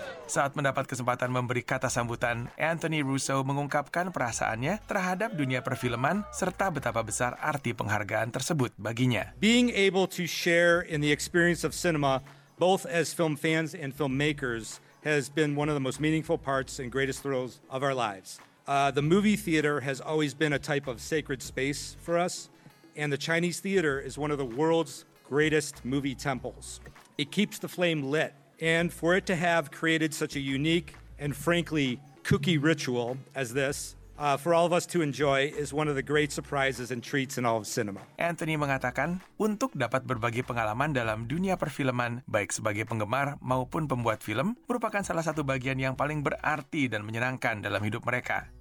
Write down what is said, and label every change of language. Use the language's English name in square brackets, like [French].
[Indonesian] Saat mendapat kesempatan memberi kata sambutan, Anthony Russo mengungkapkan perasaannya terhadap dunia perfilman serta betapa besar arti penghargaan tersebut baginya. [English] Being able to share in the experience of cinema, both as film fans and filmmakers, has been one of the most meaningful parts and greatest thrills of our lives. The movie theater has always been a type of sacred space for us, and the Chinese theater is one of the world's greatest movie temples. It keeps the flame lit. And for it to have created such a unique and frankly kooky ritual as this, for all of us to enjoy is one of the great surprises and treats in all of cinema. [Indonesian] Anthony mengatakan, untuk dapat berbagi pengalaman dalam dunia perfilman, baik sebagai penggemar maupun pembuat film, merupakan salah satu bagian yang paling berarti dan menyenangkan dalam hidup mereka.